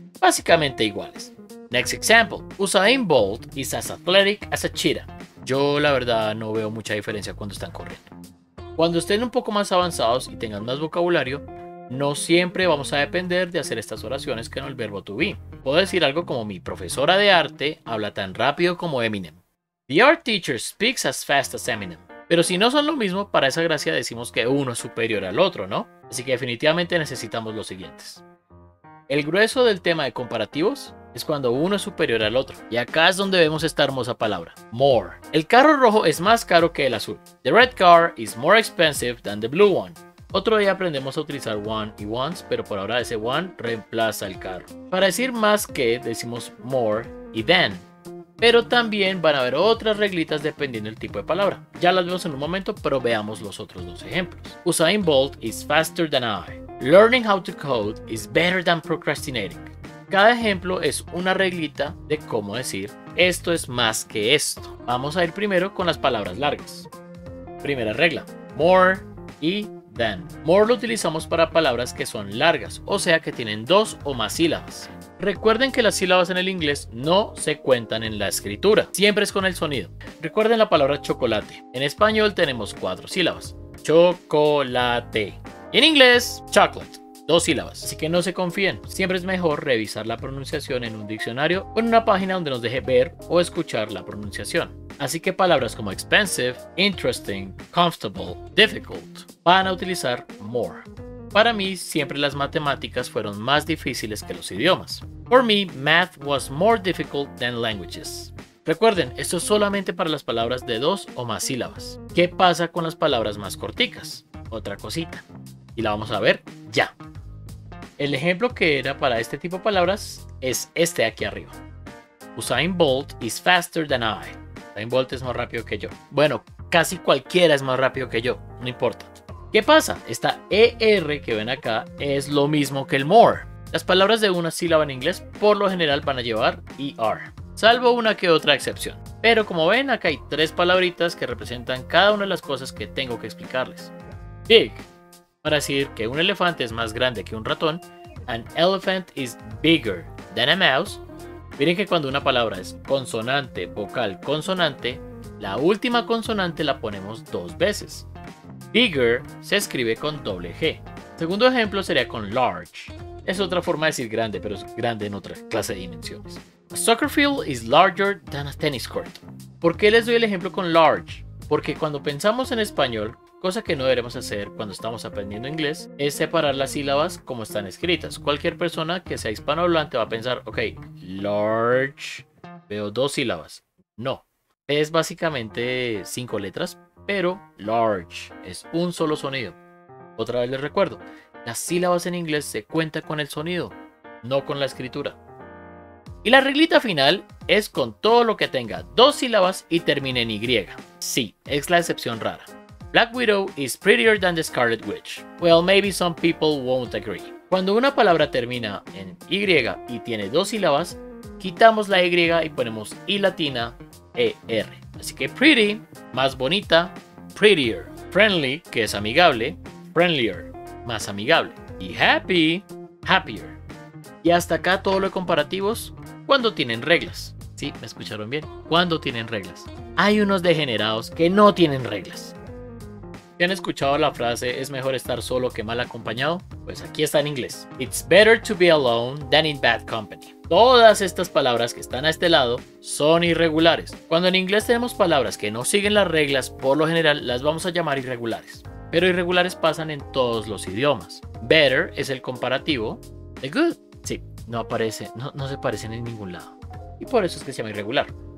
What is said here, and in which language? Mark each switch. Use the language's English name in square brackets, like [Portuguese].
[Spanish] Básicamente iguales. [English] Next example. Usain Bolt is as athletic as a cheetah. [Spanish] Yo la verdad no veo mucha diferencia cuando están corriendo. Cuando estén un poco más avanzados y tengan más vocabulario, no siempre vamos a depender de hacer estas oraciones con el verbo to be. Puedo decir algo como mi profesora de arte habla tan rápido como Eminem. [English] The art teacher speaks as fast as Eminem. [Spanish] Pero si no son lo mismo, para esa gracia decimos que uno es superior al otro, ¿no? Así que definitivamente necesitamos los siguientes. El grueso del tema de comparativos es cuando uno es superior al otro. Y acá es donde vemos esta hermosa palabra, more. El carro rojo es más caro que el azul. [English] The red car is more expensive than the blue one. [Spanish] Otro día aprendemos a utilizar one y once, pero por ahora ese one reemplaza el carro. Para decir más que, decimos more y than. Pero también van a haber otras reglitas dependiendo del tipo de palabra. Ya las vemos en un momento, pero veamos los otros dos ejemplos. [English] Usain Bolt is faster than I. Learning how to code is better than procrastinating. [Spanish] Cada ejemplo es una reglita de cómo decir esto es más que esto. Vamos a ir primero con las palabras largas. Primera regla, more y than. More lo utilizamos para palabras que son largas, o sea que tienen dos o más sílabas. Recuerden que las sílabas en el inglés no se cuentan en la escritura, siempre es con el sonido. Recuerden la palabra chocolate. En español tenemos cuatro sílabas. Chocolate. Y en inglés, chocolate, dos sílabas. Así que no se confíen. Siempre es mejor revisar la pronunciación en un diccionario o en una página donde nos deje ver o escuchar la pronunciación. Así que palabras como expensive, interesting, comfortable, difficult, van a utilizar more. Para mí, siempre las matemáticas fueron más difíciles que los idiomas. [English] For me, math was more difficult than languages. [Spanish] Recuerden, esto es solamente para las palabras de dos o más sílabas. ¿Qué pasa con las palabras más corticas? Otra cosita. Y la vamos a ver ya. El ejemplo que era para este tipo de palabras es este aquí arriba. [English] Usain Bolt is faster than I. [Spanish] Usain Bolt es más rápido que yo. Bueno, casi cualquiera es más rápido que yo. No importa. ¿Qué pasa? Esta ER que ven acá es lo mismo que el more. Las palabras de una sílaba en inglés por lo general van a llevar ER. Salvo una que otra excepción. Pero como ven, acá hay tres palabritas que representan cada una de las cosas que tengo que explicarles. Big. Para decir que un elefante es más grande que un ratón, [English] an elephant is bigger than a mouse. [Spanish] Miren que cuando una palabra es consonante, vocal, consonante, La última consonante la ponemos dos veces. Bigger se escribe con doble G. Segundo ejemplo sería con large. Es otra forma de decir grande, pero es grande en otra clase de dimensiones. [English] A soccer field is larger than a tennis court. [Spanish] ¿Por qué les doy el ejemplo con large? Porque cuando pensamos en español, cosa que no deberemos hacer cuando estamos aprendiendo inglés, es separar las sílabas como están escritas. Cualquier persona que sea hispanohablante va a pensar, ok, large, veo dos sílabas. No, es básicamente cinco letras, pero large es un solo sonido. Otra vez les recuerdo, las sílabas en inglés se cuentan con el sonido, no con la escritura. Y la reglita final es con todo lo que tenga dos sílabas y termine en Y. Sí, es la excepción rara. [English] Black Widow is prettier than the Scarlet Witch. Well, maybe some people won't agree. [Spanish] Cuando una palabra termina en Y y tiene dos sílabas, quitamos la Y y ponemos I latina, ER. Así que pretty, más bonita, prettier. Friendly, que es amigable, friendlier, más amigable. Y happy, happier. Y hasta acá todo lo de comparativos, cuando tienen reglas. Sí, me escucharon bien. Cuando tienen reglas. Hay unos degenerados que no tienen reglas. ¿Ya han escuchado la frase, es mejor estar solo que mal acompañado? Pues aquí está en inglés. [English] It's better to be alone than in bad company. [Spanish] Todas estas palabras que están a este lado son irregulares. Cuando en inglés tenemos palabras que no siguen las reglas, por lo general las vamos a llamar irregulares. Pero irregulares pasan en todos los idiomas. Better es el comparativo de good. Sí, no aparece, no se parecen en ningún lado. Y por eso es que se llama irregular.